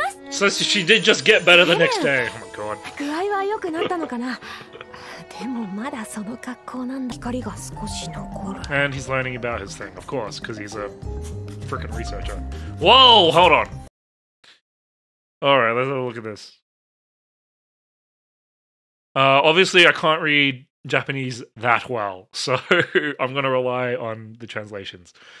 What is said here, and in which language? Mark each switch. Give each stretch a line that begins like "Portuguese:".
English: So she did just get better the next day. Oh my god.
Japanese: 具合は良くなったのかな。でもまだその格好なんだ。光が少し残る。
English: And he's learning about his thing, of course, because he's a freaking researcher. Whoa, hold on. All right, let's have a look at this. Obviously, I can't read Japanese that well, so I'm gonna rely on the translations.